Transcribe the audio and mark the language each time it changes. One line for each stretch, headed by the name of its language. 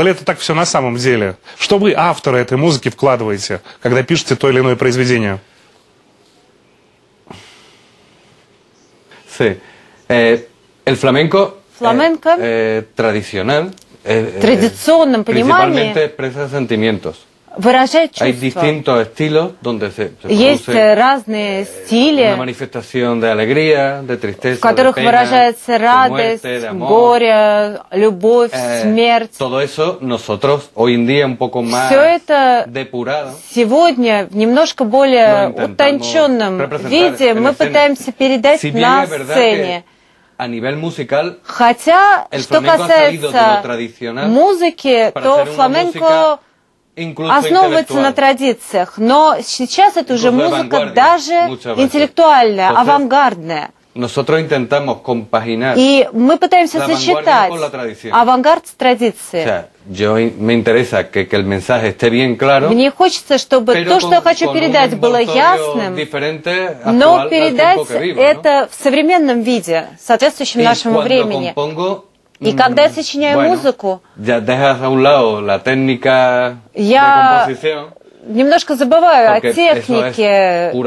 Russian: Или это так все на самом деле? Что вы, авторы этой музыки, вкладываете, когда пишете то или иное произведение?
Spanish: Sí. El flamenco, flamenco tradicional,
Russian: традиционном понимании
Spanish: expresa sentimientos.
Russian: Выражает чувства.
Spanish: Hay distintos estilos donde
Russian: есть разные стили,
Spanish: una manifestación de alegría, de tristeza,
Russian: в которых
Spanish: de
Russian: выражается радость,
Spanish: de muerte, de amor,
Russian: горе, любовь, смерть.
Spanish: Todo eso nosotros hoy en día un poco más
Russian: все это
Spanish: depurado,
Russian: сегодня в немножко более утонченном виде мы пытаемся передать
Spanish: si
Russian: на сцене.
Spanish: A nivel musical,
Russian: хотя, что касается музыки, то фламенко основывается на традициях, но сейчас это уже музыка даже интеллектуальная, авангардная.
Spanish: Nosotros intentamos compaginar
Russian: и мы пытаемся сочетать авангард с традицией.
Spanish: O sea, yo me interesa que el mensaje esté bien claro,
Russian: мне хочется, чтобы то, что я хочу передать, было ясным, но передать
Spanish: vivo,
Russian: это
Spanish: no?
Russian: в современном виде, соответствующем
Spanish: y
Russian: нашему времени.
Spanish: Compongo,
Russian: и когда я сочиняю
Spanish: bueno,
Russian: музыку,
Spanish: ya dejas a un lado la técnica
Russian: я
Spanish: de composición,
Russian: немножко забываю о технике,